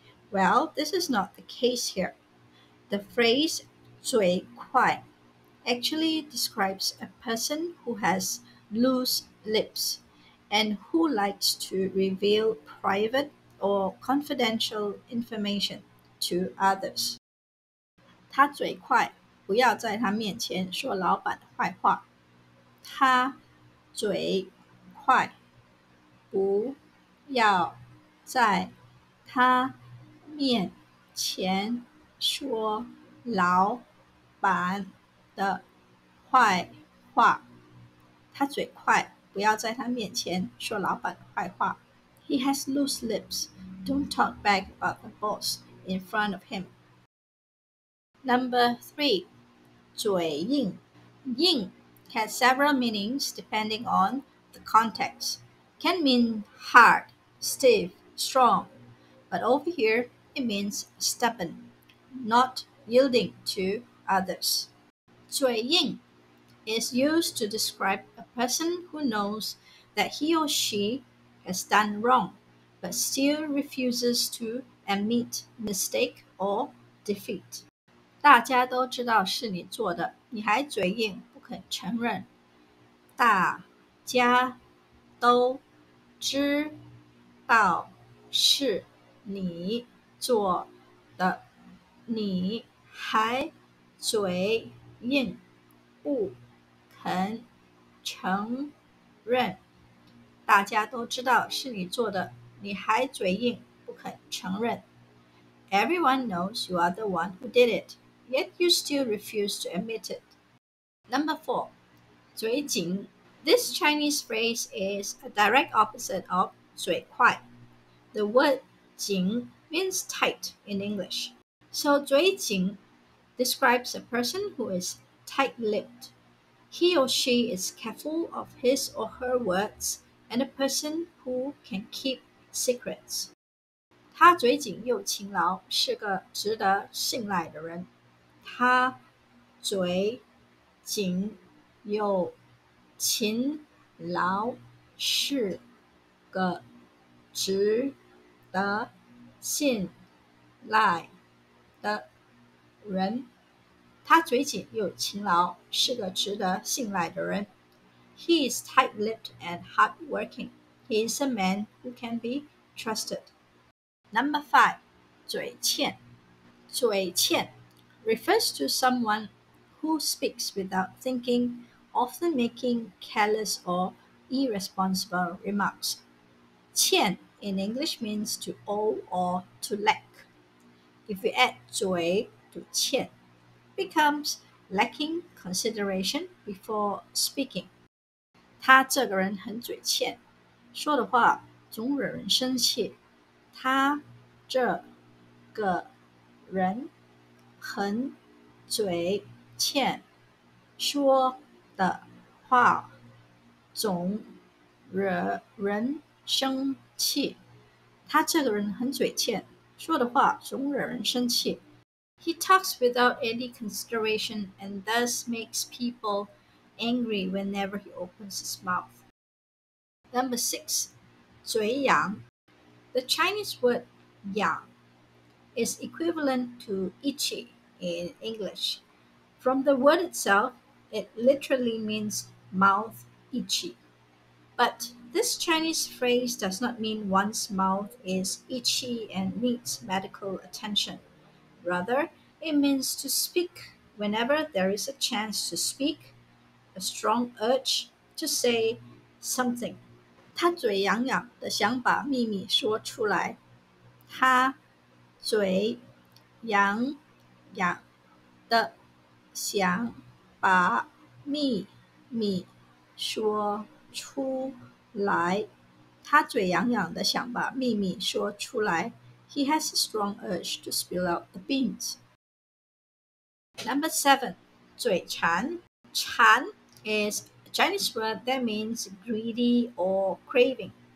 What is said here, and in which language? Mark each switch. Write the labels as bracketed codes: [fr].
[en] Well, this is not the case here. The phrase 嘴快 actually describes a person who has loose lips and who likes to reveal private or confidential information to others. [zh] 他嘴快，不要在他面前说老板的坏话。他嘴快，不要在他面前说老板的坏话。他嘴快，不要在他面前说老板的坏话。 [en] He has loose lips. Don't talk back about the boss in front of him. Number 3. 嘴硬。硬 has several meanings depending on the context. Can mean hard, stiff, strong. But over here, it means stubborn, not yielding to others. 嘴硬 is used to describe a person who knows that he or she has done wrong, but still refuses to admit mistake or defeat. [zh] 大家都知道是你做的，你还嘴硬不肯承认。大家都知道是你做的，你还嘴硬不肯承认。大家都知道是你做的，你还嘴硬不肯承认。 [en] Everyone knows you are the one who did it, yet you still refuse to admit it. Number 4. 嘴紧。 This Chinese phrase is a direct opposite of 嘴快. The word 紧 means tight in English. So 嘴紧 describes a person who is tight-lipped. He or she is careful of his or her words. And a person who can keep secrets. [zh] 他嘴紧又勤劳，是个值得信赖的人。他嘴紧又勤劳，是个值得信赖的人。他嘴紧又勤劳，是个值得信赖的人。 [en] He is tight-lipped and hard-working. He is a man who can be trusted. Number 5. 嘴欠。嘴欠 refers to someone who speaks without thinking, often making careless or irresponsible remarks. 欠 in English means to owe or to lack. If you add 嘴 to 欠, becomes lacking consideration before speaking. [zh] 他这个人很嘴欠，说的话总惹人生气。他这个人很嘴欠，说的话总惹人生气。他这个人很嘴欠，说的话总惹人生气。 [en] He talks without any consideration and thus makes people. Angry whenever he opens his mouth. Number 6. 嘴痒. The Chinese word 痒 is equivalent to itchy in English. From the word itself, it literally means mouth itchy. But this Chinese phrase does not mean one's mouth is itchy and needs medical attention. Rather, it means to speak whenever there is a chance to speakA strong urge to say something. [zh] 他嘴痒痒的想把秘密说出来。他嘴痒痒的想把秘密说出来。他嘴痒痒的想把秘密说出来。 [en] He has a strong urge to spill out the beans. Number 7. 嘴馋。馋is a Chinese word that means greedy or craving.